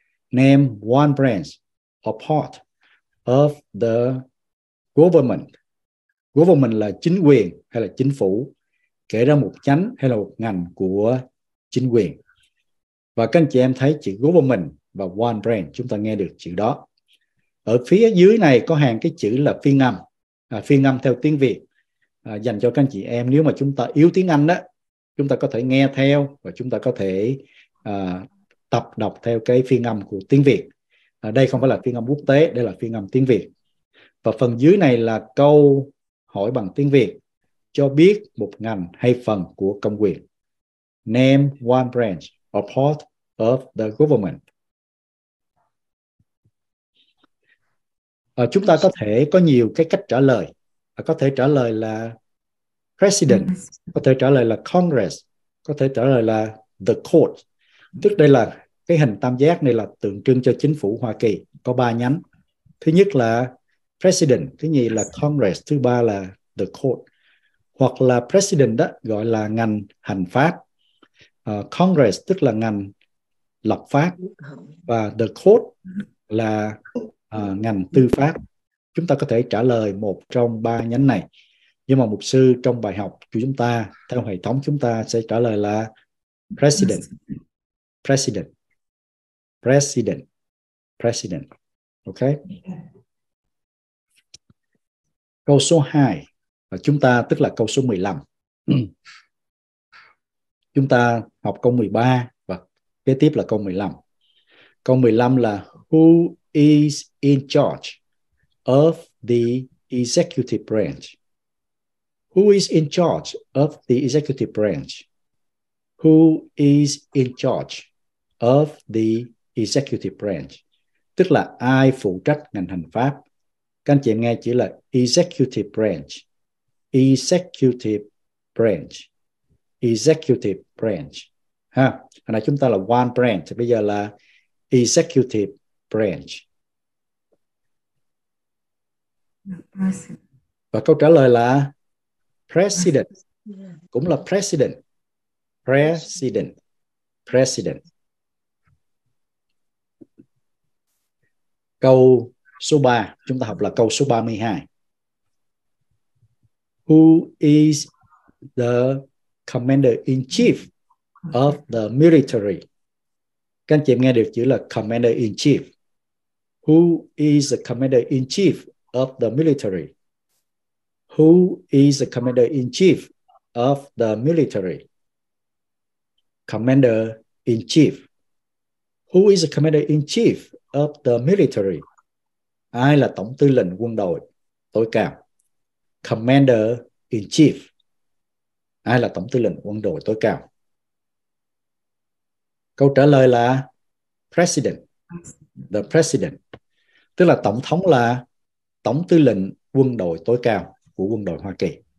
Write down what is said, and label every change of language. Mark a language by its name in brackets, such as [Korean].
[English] Name one branch or part of the government. [Vietnamese] Government là chính quyền hay là chính phủ. Kể ra một nhánh hay là một ngành của chính quyền. Và các anh chị em thấy chữ government và one branch, chúng ta nghe được chữ đó. Ở phía dưới này có hàng cái chữ là phiên âm. À, phiên âm theo tiếng Việt. À, dành cho các anh chị em nếu mà chúng ta yếu tiếng Anh đó, chúng ta có thể nghe theo và chúng ta có thể tập đọc theo cái phiên âm của tiếng Việt. À, đây không phải là phiên âm quốc tế, đây là phiên âm tiếng Việt. Và phần dưới này là câu hỏi bằng tiếng Việt, cho biết một ngành hay phần của công quyền. [English] Name one branch or part of the government. [Vietnamese] À, chúng ta có thể có nhiều cái cách trả lời. À, có thể trả lời là president, có thể trả lời là congress, có thể trả lời là the court. Tức đây là cái hình tam giác này là tượng trưng cho chính phủ Hoa Kỳ, có ba nhánh. Thứ nhất là president, thứ nhì là congress, thứ ba là the court. Hoặc là president đó gọi là ngành hành pháp. Congress tức là ngành lập pháp và the court là ngành tư pháp. Chúng ta có thể trả lời một trong ba nhánh này. Nhưng mà mục sư trong bài học của chúng ta, theo hệ thống chúng ta sẽ trả lời là president. [English] President. President. President. Ok. [Vietnamese] Câu số 2. Và chúng ta, tức là câu số 15. Chúng ta học câu 13 và kế tiếp là câu 15. Câu 15 là [English] who is in charge of the executive branch? Who is in charge of the executive branch? Who is in charge of the executive branch? [Vietnamese] Tức là ai phụ trách ngành hành pháp? Các anh chị nghe chữ là executive branch. [English] Executive branch. Executive branch. Ha. [Vietnamese] Hồi nãy chúng ta là one branch, bây giờ là executive branch. Và câu trả lời là president, cũng là president. President. President. Câu số 3, chúng ta học là câu số 32. [English] Who is the commander-in-chief of the military? [Vietnamese] Các anh chị nghe được chữ là commander-in-chief. [English] Who is the commander-in-chief of the military? Who is the commander-in-chief of the military? Commander-in-chief. Who is the commander-in-chief of the military? [Vietnamese] Ai là tổng tư lệnh quân đội tối cao? Commander-in-chief. Ai là tổng tư lệnh quân đội tối cao? Câu trả lời là president. [English] The president. [Vietnamese] Tức là tổng thống là tổng tư lệnh quân đội tối cao của quân đội Hoa Kỳ.